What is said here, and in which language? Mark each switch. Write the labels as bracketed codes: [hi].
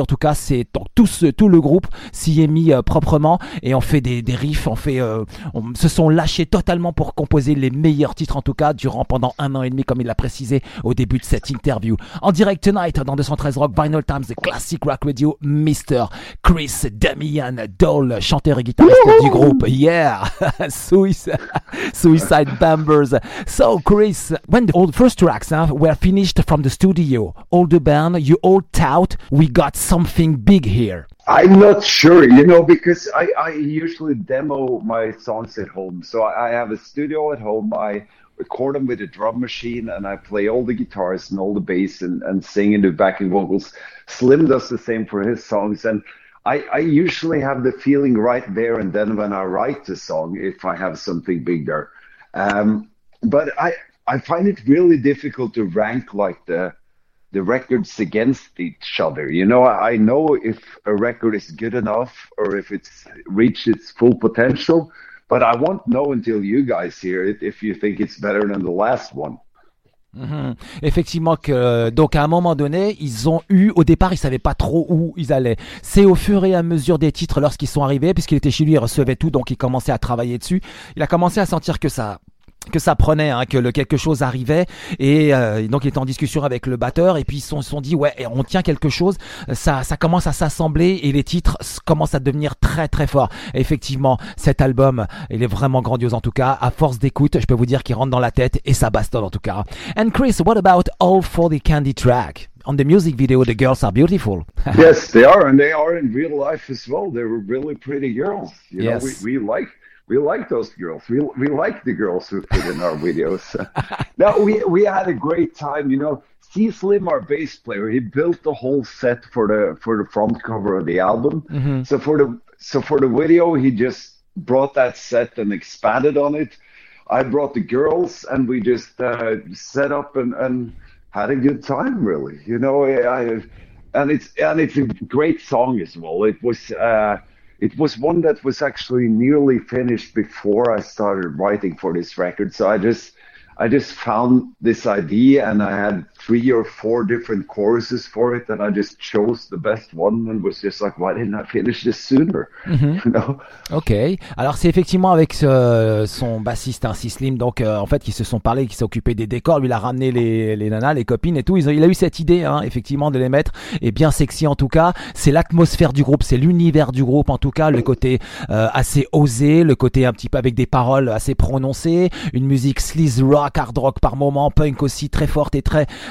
[fr] En tout cas, c'est donc tout le groupe s'y est mis proprement et on fait des riffs, se sont lâchés totalement pour composer les meilleurs titres, en tout cas durant pendant un an et demi, comme il l'a précisé au début de cette interview. En direct tonight dans 213 Rock Vinyl Times et Classic Rock Radio, Mr. Chris Damian Dole, chanteur et guitariste du groupe Yeah Suicide Bombers. [en] So Chris, when the old first tracks were finished from the studio, all the band, you all tout, we got something big here. I'm not sure, you know, because I usually demo my songs at home. So I have a studio at home. I record them with a drum machine and I play all the guitars and all the bass and sing and do backing vocals. Slim does the same for his songs. And I usually have the feeling right there and then when I write the song, if I have something bigger. But I find it really difficult to rank like the the records against each other. You know, I know if a record is good enough or if it's reached its full potential, but I won't know until you guys hear it if you think it's better than the last one. Mm-hmm. [fr] Effectivement, que, donc à un moment donné, ils ont eu, au départ, ils savaient pas trop où ils allaient. C'est au fur et à mesure des titres, lorsqu'ils sont arrivés, puisqu'il était chez lui, il recevait tout, donc il commençait à travailler dessus. Il a commencé à sentir que ça prenait, hein, que quelque chose arrivait, et donc il était en discussion avec le batteur, et puis ils se sont dit, ouais, on tient quelque chose, ça commence à s'assembler, et les titres commencent à devenir très très forts. Et effectivement, cet album, il est vraiment grandiose en tout cas, à force d'écoute, je peux vous dire qu'il rentre dans la tête, et ça bastonne en tout cas. [en] And Chris, what about All for the Candy track? On the music video, the girls are beautiful. Yes, they are, and they are in real life as well, they were really pretty girls, you yes. know, we like those girls. We like the girls who fit in our videos. Now we had a great time. You know, Steve Slim, our bass player, he built the whole set for the front cover of the album. Mm-hmm. So for the video, he just brought that set and expanded on it. I brought the girls, and we just set up and had a good time. Really, you know, it's a great song as well. It was. It was one that was actually nearly finished before I started writing for this record. So I just found this idea, and I had three or four different choruses for it, and I just chose the best one and was just like, why didn't I finish this sooner? Mm-hmm. You know? [fr] Ok, alors c'est effectivement avec son bassiste, hein, Sislim, donc en fait, qui se sont parlé, qui s'est occupé des décors, lui il a ramené les nanas, les copines et tout, il a eu cette idée, hein, effectivement, de les mettre, et bien sexy en tout cas, c'est l'atmosphère du groupe, c'est l'univers du groupe en tout cas, le côté assez osé, le côté un petit peu avec des paroles assez prononcées, une musique sleaze rock, hard rock par moment, punk aussi, très forte et très